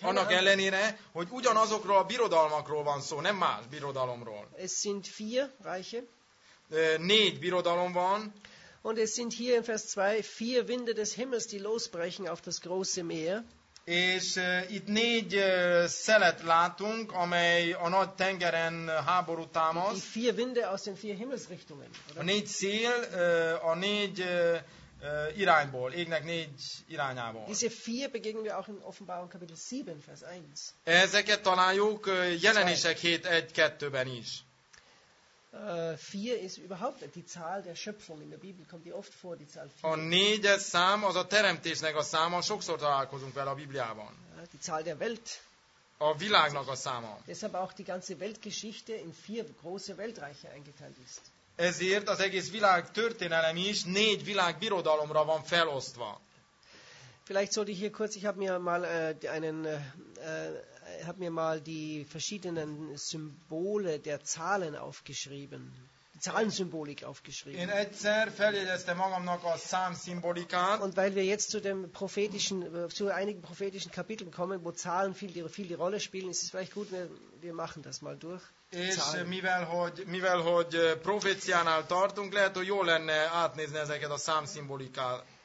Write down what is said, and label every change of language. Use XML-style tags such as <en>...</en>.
<hu>Annak ellenére, hogy ugyanazokról a birodalmakról van szó, nem más birodalomról.</hu> <de>Es sind vier Reiche.</de> <hu>Négy birodalom van.</hu> <de>Und es sind hier in Vers 2 vier Winde des Himmels, die losbrechen auf das große Meer.</de> <hu>És itt négy szelet látunk, amely a nagy tengeren háború támaszt.</hu> <de>Die vier Winde aus den vier Himmelsrichtungen.</de> <hu>A négy szél a négy irányból, égnek négy irányából.</hu> <de>Diese vier begegnen wir auch in Offenbarung Kapitel 7, Vers 1.</de> <hu>Ezeket találjuk Jelenések 7:1-2-ben is.</hu> <de>Vier ist überhaupt die Zahl der Schöpfung in der Bibel kommt die oft vor die Zahl 4.</de> <hu>A négyes szám az a teremtésnek a száma, sokszor találkozunk vele a Bibliában.</hu> <de>Die Zahl der Welt.</de> <hu>A világnak a száma.</hu> <de>Deshalb auch die ganze Weltgeschichte in vier große Weltreiche eingeteilt ist.</de> <hu>Ezért az egész világ történelem is négy világbirodalomra van felosztva.</hu> <de>Vielleicht sollte ich hier kurz, ich habe mir mal einen hab mir mal die verschiedenen Symbole der Zahlen aufgeschrieben. Die Zahlensymbolik aufgeschrieben.</de> <hu>Én egyszer feljegyeztem magamnak a számszimbolikát.</hu> <de>Und weil wir jetzt zu dem prophetischen, zu einigen prophetischen Kapiteln kommen, wo Zahlen viel die Rolle spielen, ist es vielleicht gut, wir machen das mal durch.</de> <hu>És mivel hogy proféciánál tartunk, lehet, hogy jó lenne átnézni ezeket a számszimbolikát.</hu>